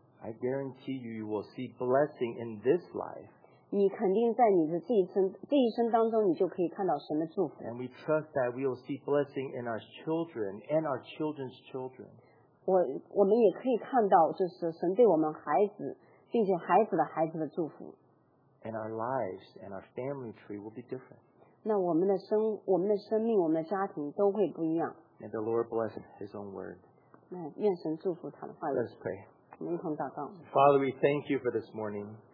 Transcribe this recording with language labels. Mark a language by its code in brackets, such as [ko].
[en] I guarantee you, you will see blessing in this life. [zh] 你肯定在你的这一生当中，你就可以看到神的祝福。 [en] And we trust that we will see blessing in our children and our children's children. [zh] 我们也可以看到，就是神对我们孩子，并且孩子的孩子的祝福。 [en] And our lives and our family tree will be different. [zh] 那我们的生命，我们的家庭都会不一样。 [en] And the Lord bless His own word. [zh] 那愿神祝福他的话语。 [en] Let's pray. [zh] 我们一同祷告。 [en] Father, we thank you for this morning.